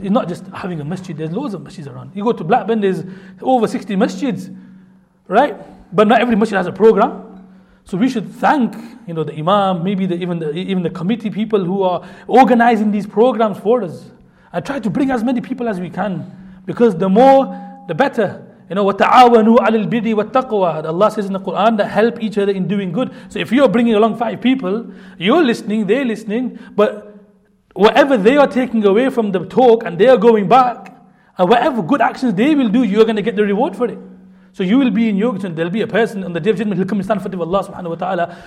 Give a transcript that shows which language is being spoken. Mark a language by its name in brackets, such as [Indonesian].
[English] It's not just having a masjid, there's loads of masjids around. You go to Blackburn, there's over 60 masjids, right? But not every masjid has a program. So we should thank, you know, the imam, maybe even the committee people who are organizing these programs for us. And try to bring as many people as we can. Because the more, the better. You know, [Arabic] وَتَعَاوَنُوا عَلِى الْبِرِّ وَالتَّقْوَىٰ. [English] Allah says in the Quran that help each other in doing good. So if you're bringing along 5 people, you're listening, they're listening, but whatever they are taking away from the talk and they are going back, Whatever good actions they will do, you are going to get the reward for it. So you will be in yoga, and there'll be a person on the day of judgment, he'll come and stand in front of Allah subhanahu wa ta'ala.